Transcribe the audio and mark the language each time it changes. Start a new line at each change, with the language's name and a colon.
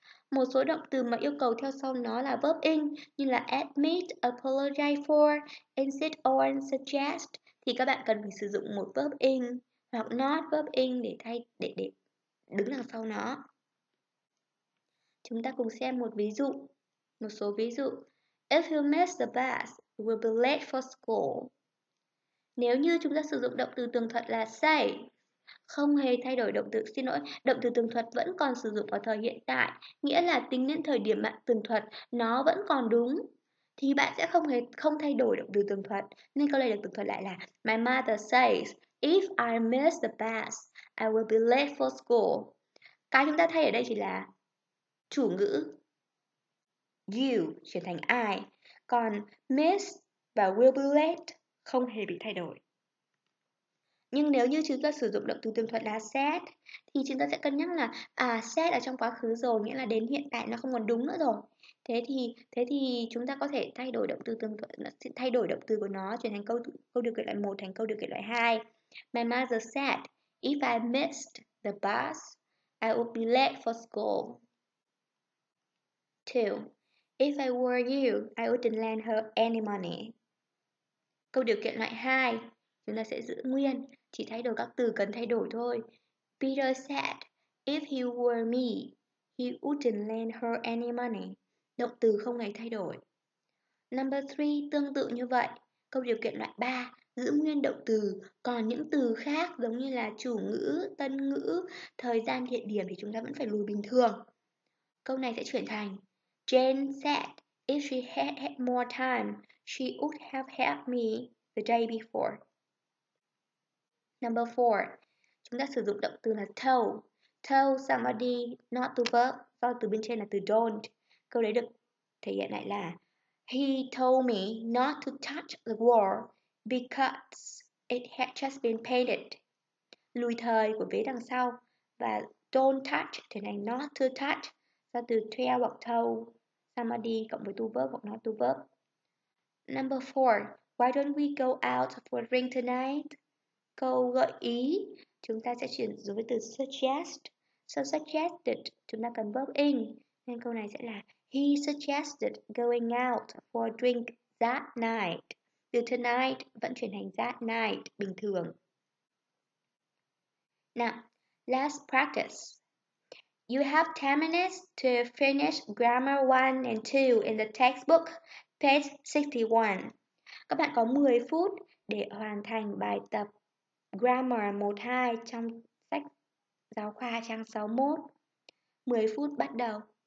Vietnamese: Một số động từ mà yêu cầu theo sau nó là verb in như là admit, apologize for, insist on, suggest thì các bạn cần phải sử dụng một verb in hoặc not verb in để thay để đứng đằng sau nó. Chúng ta cùng xem một ví dụ. Một số ví dụ.
English: If you miss the bus, you will be late for school.
Vietnamese: Nếu như chúng ta sử dụng động từ tường thuật là say, không hề thay đổi động từ, xin lỗi, động từ tường thuật vẫn còn sử dụng ở thời hiện tại, nghĩa là tính đến thời điểm bạn tường thuật nó vẫn còn đúng thì bạn sẽ không hề không thay đổi động từ tường thuật, nên câu này được tường thuật lại là
English: my mother says if I miss the bus I will be late for school.
Vietnamese: Cái chúng ta thay ở đây chỉ là chủ ngữ you chuyển thành I, còn miss và will be late không hề bị thay đổi. Nhưng nếu như chúng ta sử dụng động từ tiềm thuật là set thì chúng ta sẽ cân nhắc là set ở trong quá khứ rồi, nghĩa là đến hiện tại nó không còn đúng nữa rồi. Thế thì chúng ta có thể thay đổi động từ tiềm thuật, thay đổi động từ của nó chuyển thành câu câu được kể loại 1 thành câu được kể loại 2.
English: My mother said if I missed the bus I would be late for school. 2. If I were you, I wouldn't lend her any money.
Vietnamese: Câu điều kiện loại 2 chúng ta sẽ giữ nguyên, chỉ thay đổi các từ cần thay đổi thôi.
English: Peter said, if he were me, he wouldn't lend her any money.
Vietnamese: Động từ không hề thay đổi.
English: Number 3,
Vietnamese: tương tự như vậy. Câu điều kiện loại 3, giữ nguyên động từ. Còn những từ khác giống như là chủ ngữ, tân ngữ, thời gian, địa điểm thì chúng ta vẫn phải lùi bình thường. Câu này sẽ chuyển thành,
English: Jane said, if she had had more time, she would have helped me the day before. Number 4.
Vietnamese: Chúng ta sử dụng động từ là tell.
English: Tell somebody not to work.
Vietnamese: Do từ bên trên là từ don't. Câu đấy được thể hiện lại là
English: he told me not to touch the wall because it had just been painted.
Vietnamese: Lùi thời của vế đằng sau. Và don't touch thì này not to touch. Do từ tell hoặc tell somebody cộng với to verb hoặc not to verb.
English: Number 4. Why don't we go out for a drink tonight?
Vietnamese: Câu gợi ý, chúng ta sẽ chuyển dùng với từ suggest.
English: So suggested,
Vietnamese: chúng ta cần
English: verb in.
Vietnamese: Nên câu này sẽ là
English: he suggested going out for a drink that night.
Vietnamese: Từ tonight vẫn chuyển thành that night bình thường.
English: Now, let's practice. You have 10 minutes to finish grammar 1 and 2 in the textbook, page 61.
Vietnamese: Các bạn có 10 phút để hoàn thành bài tập Grammar 1-2 trong sách giáo khoa trang 61. 10 phút bắt đầu.